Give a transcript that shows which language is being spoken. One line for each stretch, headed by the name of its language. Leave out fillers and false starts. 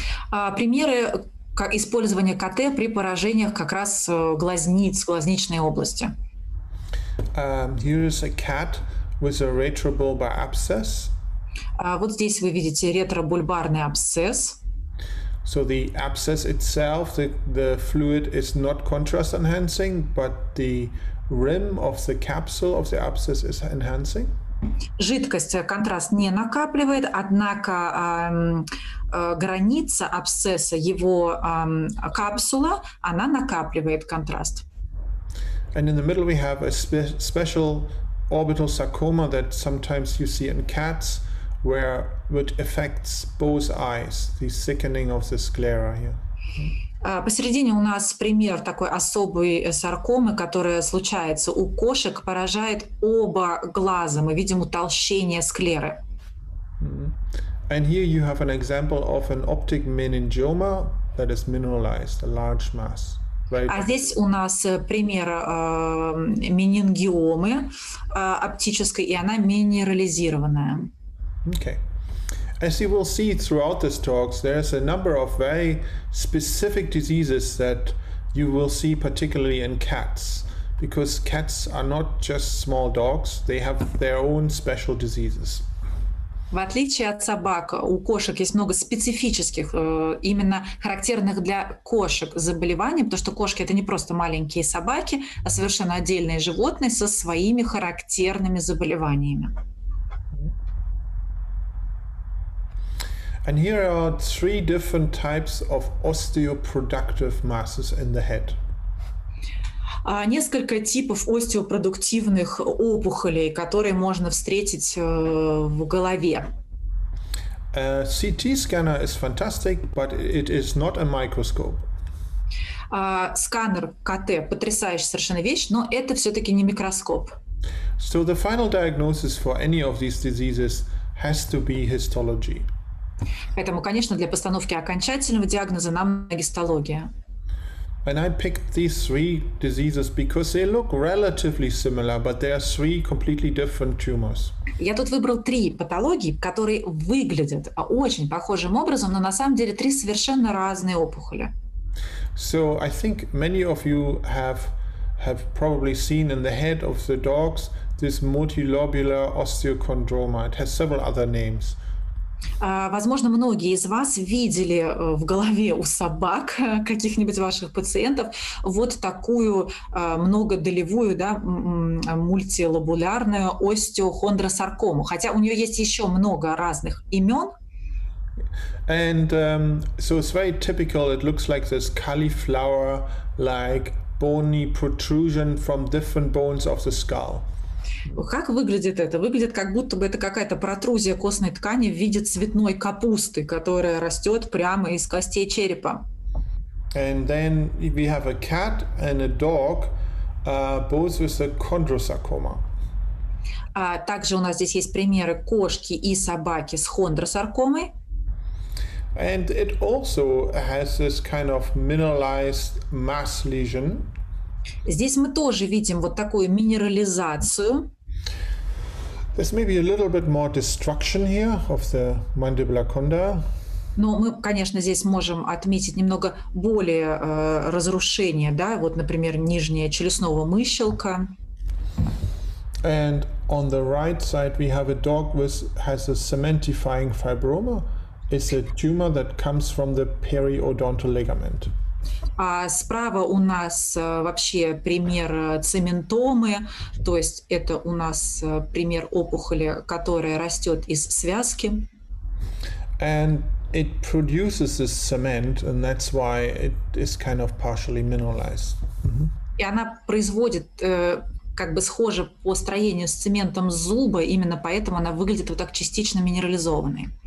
Russian: Примеры использования КТ при поражениях как раз глазниц, глазничной области.
English: Here is a cat with a retrobulbar abscess.
Russian: Вот здесь вы видите ретробульбарный абсцесс.
English: So the abscess itself, the fluid is not contrast enhancing, but the rim of the capsule of the abscess is enhancing.
Russian: Жидкость контраст не накапливает, однако граница абсцесса, его капсула, она накапливает контраст.
English: And in the middle we have a special orbital sarcoma that sometimes you see in cats, where it affects both eyes, the thickening of the sclera here.
Russian: Посередине у нас пример такой особой саркомы, которая случается у кошек, поражает оба глаза. Мы видим утолщение склеры.
English: And here you have an example of an optic meningioma that is mineralized, a large mass. Right.
Russian: А здесь у нас пример менингиомы оптической, и она минерализированная.
English: Okay. As you will see throughout this talk, there's a number of very specific diseases that you will see particularly in cats, because cats are not just small dogs, they have their own special diseases.
Russian: В отличие от собак, у кошек есть много специфических, именно характерных для кошек заболеваний, потому что кошки – это не просто маленькие собаки, а совершенно отдельные животные со своими характерными заболеваниями.
English: And here are three different types of osteoproductive masses in the head.
Russian: Несколько типов остеопродуктивных опухолей, которые можно встретить в голове.
English: A CT scanner is fantastic, but it is not a microscope.
Russian: Сканер КТ потрясающая совершенно вещь, но это все-таки не микроскоп.
English: So the final diagnosis for any of these diseases has to be histology.
Russian: Поэтому, конечно, для постановки окончательного диагноза нам гистология.
English: And I picked these three diseases because they look relatively similar, but they are three completely different tumors.
Russian: Я тут выбрал три патологии, которые выглядят очень похожим образом, но на самом деле три совершенно разные опухоли.
English: So I think many of you have probably seen in the head of the dogs this multilobular osteochondroma. It has several other names.
Russian: Возможно, многие из вас видели в голове у собак каких-нибудь ваших пациентов вот такую многодолевую, да, мультилобулярную остеохондросаркому, хотя у нее есть еще много разных имен.
English: And so it's very typical. It looks like this cauliflower-like bony protrusion from different bones of the skull.
Russian: Как выглядит это? Выглядит, как будто бы это какая-то протрузия костной ткани в виде цветной капусты, которая растет прямо из костей черепа.
English: And then we have a cat and a dog, both with a chondrosarcoma.
Russian: Также у нас здесь есть примеры кошки и собаки с хондросаркомой.
English: And it also has this kind of mineralized mass lesion.
Russian: Здесь мы тоже видим вот такую минерализацию.
English: There's maybe a little bit more destruction here of the mandibular condyle.
Russian: Но мы, конечно, здесь можем отметить немного более разрушение, да, вот, например, нижняя челюстного мыщелка.
English: And on the right side we have a dog with has a cementifying fibroma. It's a tumor that comes from the periodontal ligament.
Russian: А справа у нас вообще пример цементомы, то есть это у нас пример опухоли, которая растет из связки.
English: And it produces this cement, and that's why it is kind of partially mineralized.
Russian: И она производит как бы схоже по строению с цементом зуба, именно поэтому она выглядит вот так частично минерализованной.